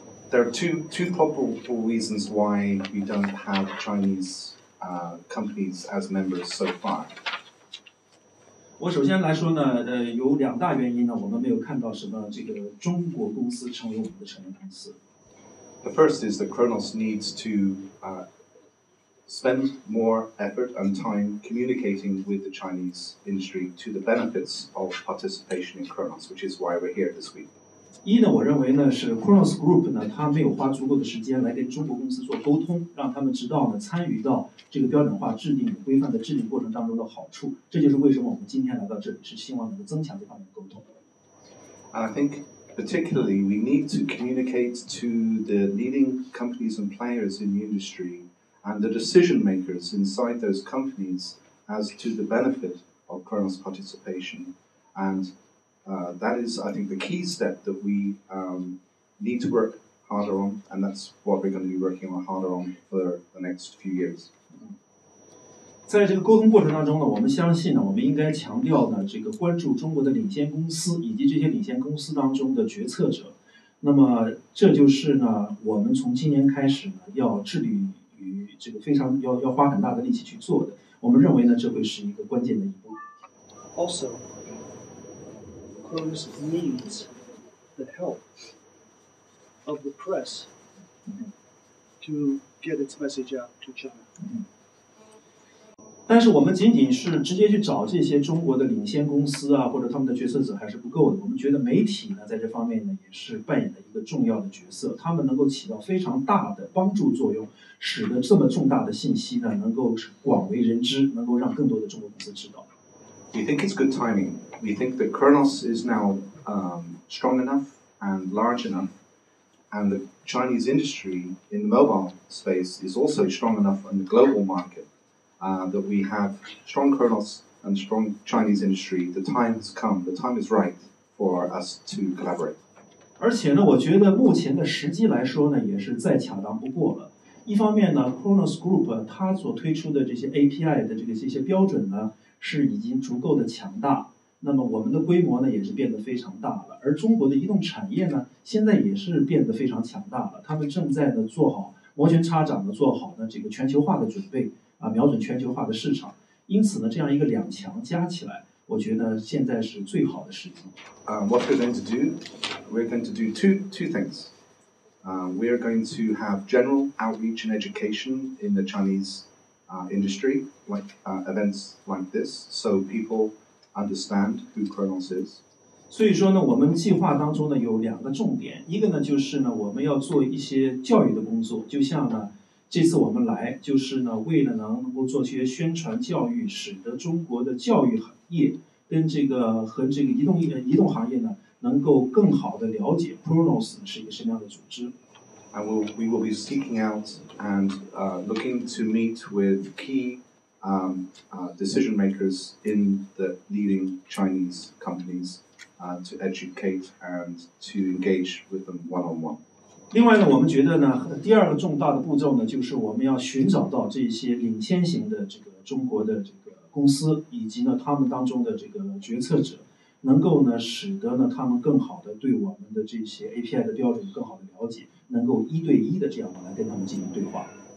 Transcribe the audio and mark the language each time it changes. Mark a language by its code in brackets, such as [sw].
[en] There are two probable reasons why we don't have Chinese companies as members so far. [zh] 我首先来说呢，有两大原因呢，我们没有看到什么这个中国公司成为我们的成员公司。 [en] The first is that Khronos needs to spend more effort and time communicating with the Chinese industry to the benefits of participation in Khronos, which is why we're here this week. [zh] 一呢，我认为呢是 Khronos Group 呢，他没有花足够的时间来跟中国公司做沟通，让他们知道呢参与到这个标准化制定规范的制定过程当中的好处。这就是为什么我们今天来到这里，是希望能够增强这方面的沟通。 [en] I think particularly we need to communicate to the leading companies and players in the industry. And the decision makers inside those companies as to the benefit of Khronos participation. And that is, I think, the key step that we need to work harder on. And that's what we're going to be working on harder on for the next few years. [zh] 在这个沟通过程当中呢，我们相信呢，我们应该强调呢，这个关注中国的领先公司以及这些领先公司当中的决策者。那么这就是呢，我们从今年开始呢，要致力于这个非常要花很大的力气去做的，我们认为呢，这会是一个关键的一步。 [en] Also, Khronos needs the help of the press to get its message out to China. [zh] 但是我们仅仅是直接去找这些中国的领先公司啊，或者他们的决策者还是不够的。我们觉得媒体呢，在这方面呢，也是扮演了一个重要的角色，他们能够起到非常大的帮助作用，使得这么重大的信息呢，能够广为人知，能够让更多的中国公司知道。 [en] We think it's good timing. We think that Khronos is now strong enough and large enough, and the Chinese industry in the mobile space is also strong enough in the global market. That we have strong Khronos and strong Chinese industry, the time has come, the time is right for us to collaborate. [zh] 而且呢，我觉得目前的时机来说呢，也是再恰当不过了。一方面呢 ，Khronos Group 它所推出的这些 API 的这些标准呢，是已经足够的强大。那么我们的规模呢，也是变得非常大了。而中国的移动产业呢，现在也是变得非常强大了。他们正在呢做好摩拳擦掌的做好呢这个全球化的准备。瞄准全球化的市场，因此呢，这样一个两强加起来，我觉得现在是最好的时机。 [en] What we're going to do, we're going to do two things. We are going to have general outreach and education in the Chinese industry, like events like this, so people understand who Khronos is. [zh] 所以说呢，我们计划当中呢有两个重点，一个呢就是呢我们要做一些教育的工作，就像呢。这次我们来就是呢为了能够做些宣传教育，使得中国的教育行业跟这个和这个移动行业呢能够更好的了解 Khronos 是一个什么样的组织。 [en] And we will be seeking out and looking to meet with key decision makers in the leading Chinese companies to educate and to engage with them one-on-one. [zh] 另外呢，我们觉得呢，第二个重大的步骤呢，就是我们要寻找到这些领先型的这个中国的这个公司，以及呢他们当中的这个决策者，能够呢使得呢他们更好的对我们的这些 API 的标准更好的了解，能够一对一的这样来跟他们进行对话。